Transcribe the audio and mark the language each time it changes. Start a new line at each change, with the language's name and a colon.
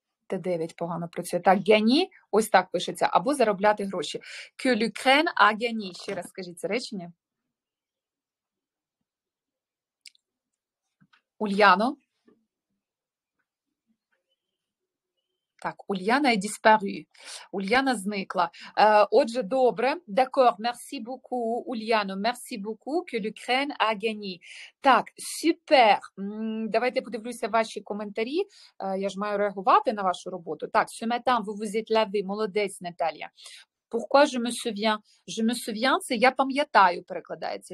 Ukrainian: Т9 погано працює. Так, гені, ось так пишеться, або заробляти гроші.
French: Que l'Ukraine a gagné.
Ukrainian: Ще раз скажіть це речення. Ульяно?
French: Так, Ульяна est disparue.
Ukrainian: Ульяна зникла. Отже, добре.
French: D'accord, merci beaucoup, Ульяно. Merci beaucoup, que l'Ukraine a gagné.
Ukrainian: Так, super. Давайте подивлюся ваші коментарі. Я ж маю реагувати на вашу роботу.
French: Так, ce matin, vous vous êtes lavé.
Ukrainian: Молодець, Наталія.
French: Pourquoi je me souviens? Je me souviens,
Ukrainian: це я пам'ятаю, перекладається.